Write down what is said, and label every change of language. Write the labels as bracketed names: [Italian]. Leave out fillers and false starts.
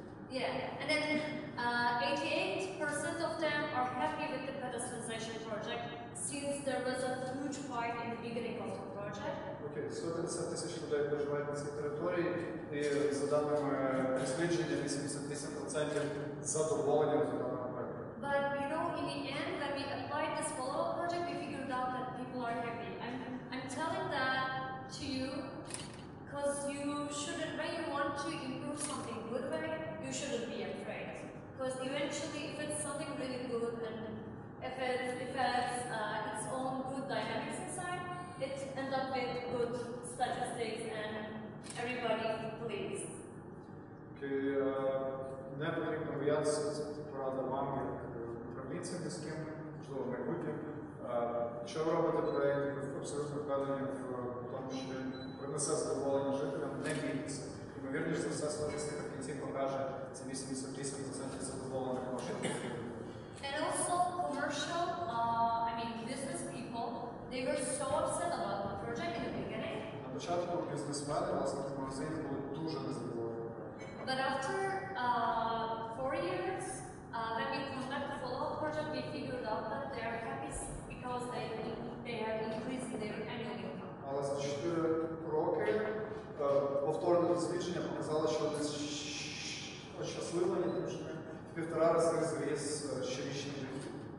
[English] Yeah, and then 88% of them are happy with the pedestrianization project since there was a huge fight in the beginning of the project. [Ukrainian] Окей, 150,000 людей проживають на цій території, і за даними дослідження, 88% задоволені результатами проєкту. [English] But you know, in the end, when we applied this follow-up project, we figured out that people are happy. I'm telling that to you, because you shouldn't, when you want to improve something good way, you shouldn't be afraid. Because eventually, if it's something really good, and if it has its own good dynamics inside, it ends up with good statistics and everybody pleased. [Ukrainian] Okay, не потрібно боятися, це порада вам, як управлінцям міським, можливо, в майбутнє. Що робити проєкт, ви абсолютно впевнені в тому, що він принесе задоволення жителям, не бійтеся. Ймовірно, що все статистика в кінці покаже, це 88% задоволених ваших клієнтів. [English] And also commercial, business people, they were so upset about the project in the beginning. [Ukrainian] На початку бізнесмени, власне, в магазині були дуже незадоволені. [English] But after 4 years, when we conduct a follow-up project, we figured out that they are happy because they are increasing their annual income. [Ukrainian] Але за 4 роки повторне дослідження показало, що вони щасливі, тому що в півтора рази зріс щорічний дохід.